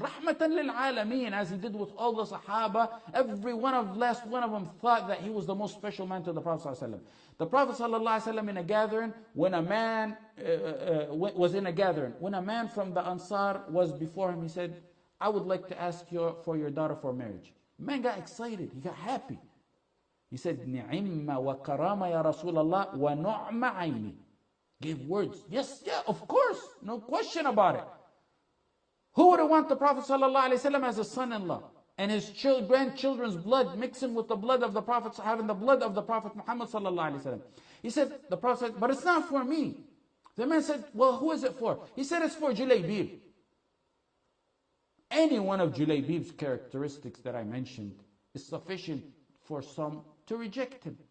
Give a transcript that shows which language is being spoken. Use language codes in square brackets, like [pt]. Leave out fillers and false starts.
[ar] رَحْمَةً لِلْعَالَمِينَ [en] As he did with all the Sahaba, every one of last one of them thought that he was the most special man to the Prophet ﷺ. The Prophet ﷺ in a gathering, when a man was in a gathering, when a man from the Ansar was before him, he said, I would like to ask you for your daughter for marriage. Man got excited, he got happy. He said, [ar] نِعِمَّ وَكَرَامَ يَا رَسُولَ اللَّهِ وَنُعْمَ عَيْنِي [en] Give words. Yes, yeah, of course. No question about it. Who would want the Prophet ﷺ as a son-in-law? And his grandchildren's blood mixing with the blood of the Prophet, having the blood of the Prophet Muhammad ﷺ. He said, the Prophet said, but it's not for me. The man said, well, who is it for? He said, it's for Julaybib. Any one of Julaybib's characteristics that I mentioned is sufficient for some to reject him.